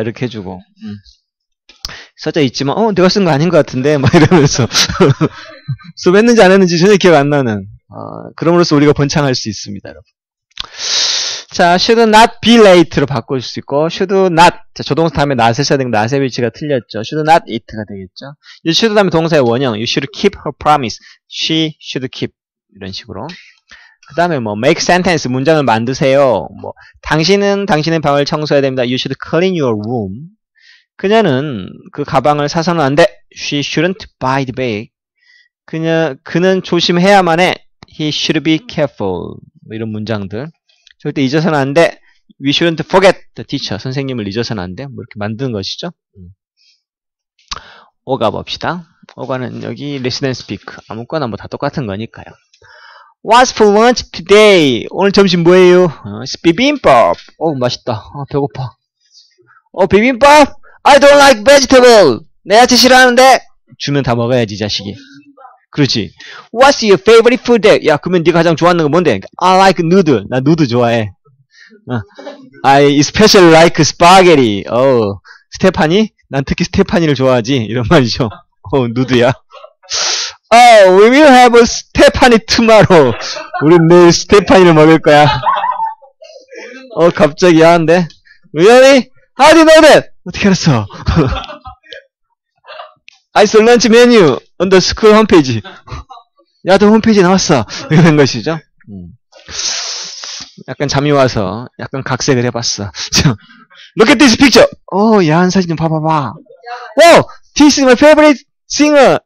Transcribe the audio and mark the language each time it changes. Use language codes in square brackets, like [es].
[ko] 이렇게 해주고 써져 있지만 내가 쓴 거 아닌 것 같은데 막 이러면서 수업했는지 안 했는지 전혀 기억 안 나는 그러므로써 우리가 번창할 수 있습니다. 여러분. 자, should not be late로 바꿀 수 있고 should not 자, 저 동사 다음에 not 써야 되는데 not의 위치가 틀렸죠. should not it가 되겠죠. you should 다음에 동사의 원형 [en] you should keep her promise [ko] she should keep 이런 식으로. 그 다음에 뭐 make sentence 문장을 만드세요. 뭐 당신은 당신의 방을 청소해야 됩니다. [en] You should clean your room. [ko] 그녀는 그 가방을 사서는 안 돼. [en] She shouldn't buy the bag. [ko] 그는 조심해야만 해. [en] He should be careful. [ko] 이런 문장들. 절대 잊어서는 안 돼. [en] We shouldn't forget the teacher. [ko] 선생님을 잊어서는 안 돼. 뭐 이렇게 만드는 것이죠. 오가 봅시다. 오가는 여기 [en] listen and speak. [ko] 아무거나 뭐다 똑같은 거니까요. [en] What's for lunch today? [ko] 오늘 점심 뭐예요? Bibimbap. 오, 맛있다. 배고파. 비빔밥? [en] I don't like vegetable. [ko] 내 야채 싫어하는데? 주면 다 먹어야지, 이 자식이. 그렇지. [en] What's your favorite food day? [ko] 야, 그러면 네가 가장 좋아하는 거 뭔데? [en] I like noodle. [ko] 나 누드 좋아해. [en] I especially like spaghetti. [ko] 어, 스테파니? 난 특히 스테파니를 좋아하지. 이런 말이죠. 누드야. [en] Oh, we will have a Stephanie tomorrow. [ko] 우린 내일 스테파니를 먹을 거야. 갑자기 야한데? [en] Really? How do you know that? [ko] 어떻게 알았어? [en] I saw lunch menu on the school homepage. [ko] 야동 홈페이지 나왔어. 이런 것이죠. 약간 잠이 와서 약간 각색을 해봤어. [en] Look at this picture. [ko] 오, 야한 사진 좀 봐봐봐. [en] Oh, this is my favorite singer.